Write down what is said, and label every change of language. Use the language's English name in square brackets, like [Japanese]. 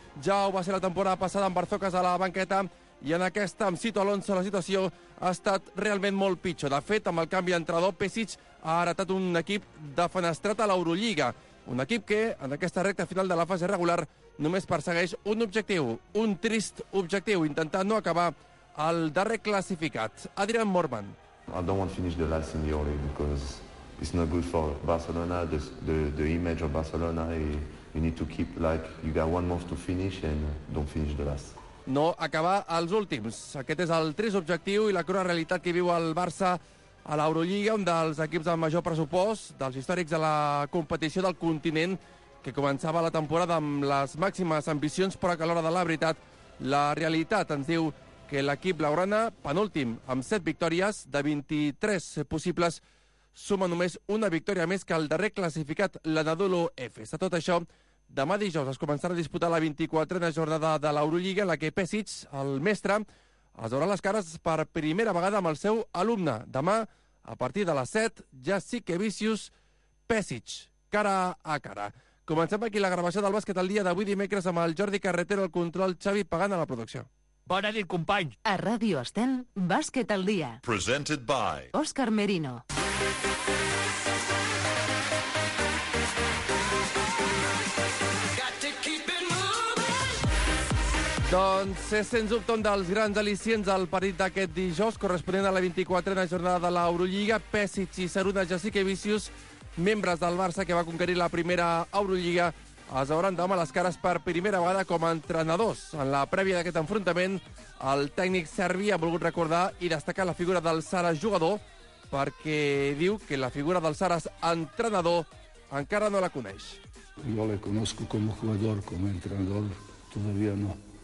[Catalan] Ja ho va ser la temporada passada amb Barzokas a la banqueta i en aquesta, amb Sito Alonso, la situació ha estat realment molt pitjor. De fet, amb el canvi d'entrenador, Pesic ha heretat un equip defenestrat a l'Eurolliga. Un equip que, en aquesta recta final de la fase regular, només persegueix un objectiu, un trist objectiu, intentant no acabar el darrer classificat. Adrian Morman. [English] I don't want to finish the last in the Euroleague because it's not good for Barcelona, the image of Barcelona. You need to keep, like, you got one month to finish and don't finish the last. [Catalan] No acabar els últims. Aquest és el trist objectiu i la crua realitat que viu el Barça a l'Eurolliga, un dels equips amb major pressupost, dels històrics de la competició del continent, que començava la temporada amb les màximes ambicions, però que a l'hora de la veritat, la realitat ens diu que l'equip blaugrana, penúltim, amb 7 victòries de 23 possibles, suma només una victòria més que el darrer classificat, l'Anadolu Efes. A tot això, demà dijous es començarà a disputar la 24a jornada de l'Eurolliga, en la que Pesic, el mestre, es veurà les cares per primera vegada amb el seu alumne. Demà, a partir de les 7, ja sí que Vicius, Pesic, cara a cara. Comencem aquí la gravació del bàsquet al dia d'avui dimecres amb el Jordi Carretero, el control, Xavi Pagant a la producció. Bona nit, companys. A Ràdio Estel, Bàsquet al dia. [English] Presented by Òscar Merino. [Catalan] Doncs és sens dubte un dels grans al·licients del partit d'aquest dijous, corresponent a la 24a jornada de l'Eurolliga. Pesic i Saruna, Jessica Vicius, membres del Barça que va conquerir la primera Eurolliga, es veuran demà les cares per primera vegada com a entrenadors. En la prèvia d'aquest enfrontament, el tècnic serbi ha volgut recordar i destacar la figura del Saras jugador perquè diu que la figura del Saras entrenador encara no la coneix. [Spanish] Yo le conozco como jugador, como entrenador, todavía no.